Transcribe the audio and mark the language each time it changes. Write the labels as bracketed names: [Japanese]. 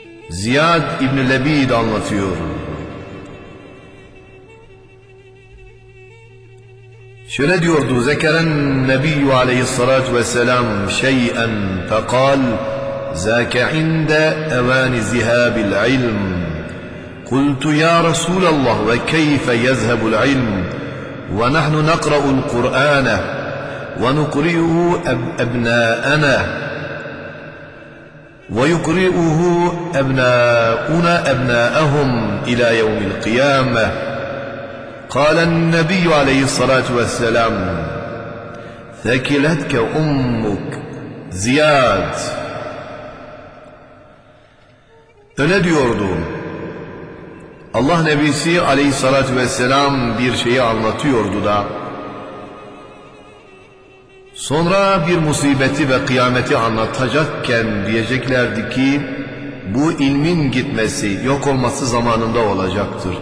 [Turkish] Ziyad İbn-i Lebid anlatıyor. Şöyle diyordu [Arabic] Zekeren Nebiyyü aleyhissalatü vesselam şey'en fekal... Zâke inde evâni zihâbil ilm قلت يا رسول الله وكيف يذهب العلم ونحن نقرأ القرآن ونقرئه أبناءنا ويقرئه أبناؤنا أبناءهم إلى يوم القيامة؟ قال النبي عليه الصلاة والسلام: ثكلتك أمك زياد. [Turkish] Öyle diyordu. Allah Nebisi aleyhissalatü vesselam bir şeyi anlatıyordu da sonra bir musibeti ve kıyameti anlatacakken diyeceklerdi ki bu ilmin gitmesi, yok olması zamanında olacaktır.